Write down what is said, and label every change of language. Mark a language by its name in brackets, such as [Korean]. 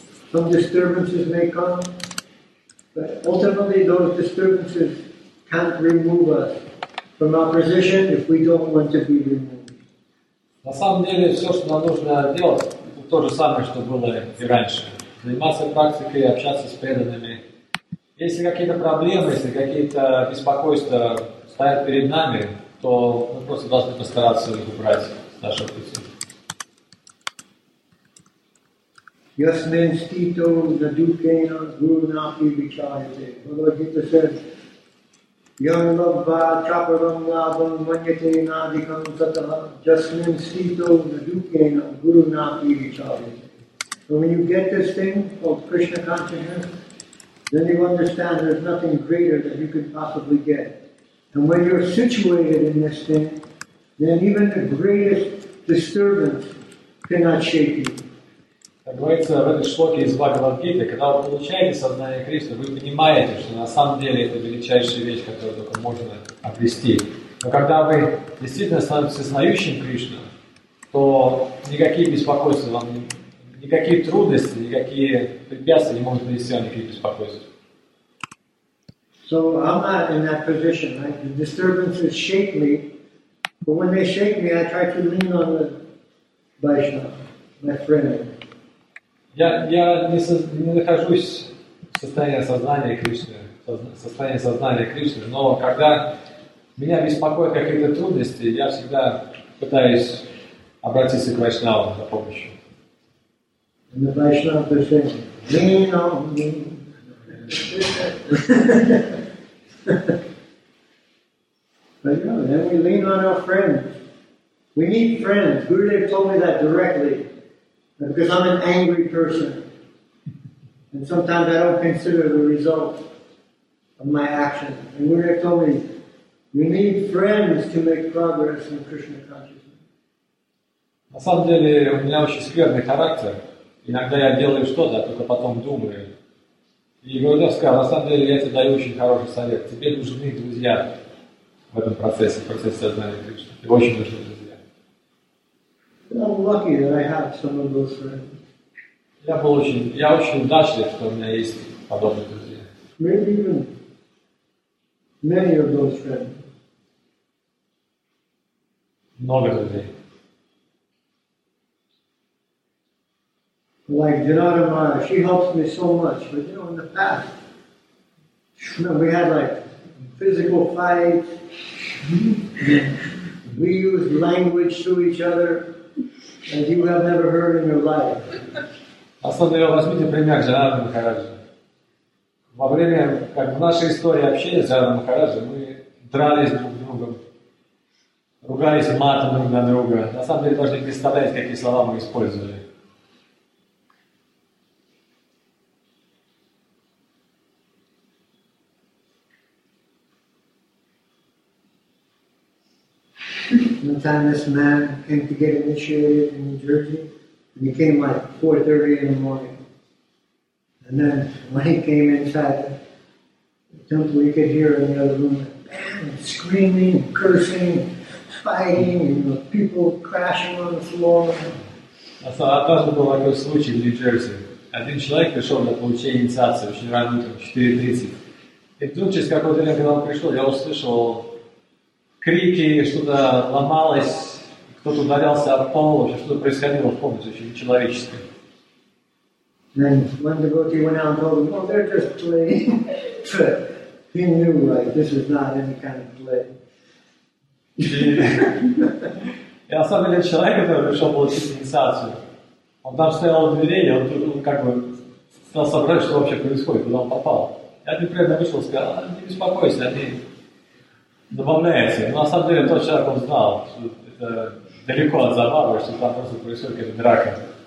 [English] Some disturbances may come, but ultimately those disturbances can't remove us from our position if we don't want to be removed. [Russian] На самом деле, все, что нам нужно делать, это то же самое, что было и раньше. Заниматься практикой и общаться с преданными. Если какие-то проблемы, если какие-то беспокойства стоят перед нами, то мы просто должны постараться их убрать с нашего пути. [Sanskrit] Ясмин стито надукена гурнахи вичарите. Бхагавад-гита says, Ян лабба чапарам лабам маньяте надикам сатаха. Ясмин стито надукена гурнахи вичарите. [English] So when you get this thing called Krishna consciousness, then you understand there's nothing greater that you could possibly get. And when you're situated in this thing, then even the greatest disturbance cannot shake you. [Russian] Как говорится в этой шлоке из Бхагавад-гиты, когда вы получаете сознание Кришны, вы понимаете, что на самом деле это величайшая вещь, которую только можно обрести. Но когда вы действительно становитесь сознающим Кришну, то никакие беспокойства вам, никакие трудности, никакие препятствия не могут принести вам никаких беспокойств. [English] So I'm not in that position, right? The disturbances shake me, but when they shake me, I try to lean on the Vaishnava, my friend. [Russian] Я не нахожусь в состоянии сознания Кришны, но когда меня беспокоят какие-то трудности, я всегда пытаюсь обратиться к Вайшнаву за помощью. [English] And the Vaishnava says, lean on me. But no, then we lean on our friends. We need friends. Gurudev told me that directly. Because I'm an angry person. And sometimes I don't consider the result of my action. And Gurudev told me, we need friends to make progress in Krishna consciousness. [Russian] На самом деле, у меня очень скверный характер. Иногда я делаю что-то, а только потом думаю. И Гурудев сказал, на самом деле я тебе даю очень хороший совет. Тебе нужны друзья в этом процессе, в процессе сознания Кришны. Тебе очень нужны друзья. [English] I'm lucky that I have some of those friends. [Russian] Я очень удачлив, что у меня есть подобные друзья. [English] Maybe even many of those friends. [Russian] Много друзей. [English] Like Janata Maharaj, she helps me so much. But you know, in the past, you know, we had like physical fights. We used language to each other as you have never heard in your life. [Russian] Особенно возьмите пример Джанаты Махараджи. Во время, как в нашей истории общения с Джанатой Махараджи, мы дрались друг с другом, ругались матом друг на друга. На самом деле, даже не представляете, какие слова мы использовали. [English] One time this man came to get initiated in New Jersey, and he came like 4:30 in the morning. And then when he came inside the temple, we could hear in the other room, bam, screaming, cursing, fighting, you know, people crashing on the floor. [Russian] Однажды был такой случай в Нью-Джерси. Один человек пришел для получения инициации очень рано утром, 4:30. И вдруг через какое-то время он пришел, я услышал крики, что-то ломалось, кто-то ударялся об пол, что-то происходило в комнате, очень нечеловеческое. [English] And one devotee went out and told him, oh, they're just playing. He knew, like, this is not any kind of play. [Russian] И особенно человек, который пришел получить инициацию, он там стоял в дверей, он тут как бы стал соображать, что вообще происходит, куда он попал. И один преданный вышел и сказал, не беспокойся, они добавляются. Но на самом деле тот человек, он знал, что это далеко от забавы, что там просто происходит какая-то драка.